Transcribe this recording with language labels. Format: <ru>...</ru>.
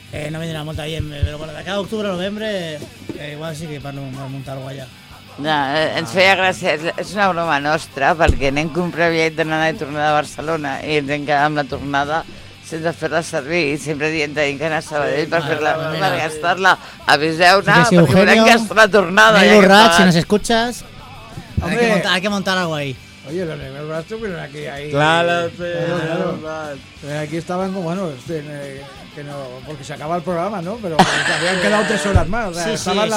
<es>no me la monta bien, pero bueno, de acá a octubre o noviembre, igual sí que para montar algo allá.</es> <ca>No, ens feia gràcia, és una broma nostra, perquè anem a comprar bitllet d'anada i tornada a Barcelona i ens hem quedat amb la tornada sense fer-la servir i sempre dient que hem d'anar a Sabadell per fer-la, per gastar-la. Aviseu-ne, sí, si perquè volem gastar la tornada.</ca> <es>Amigo Rach, si nos escuchas, hay que montar algo ahí. Oye, los Negros Brazos, pero aquí hay... Claro, sí. Claro. Aquí estaban como, bueno, que no, porque se acaba el programa, ¿no? Pero se habían quedado 3 horas más. O sea, sí, estaban sí, la</es>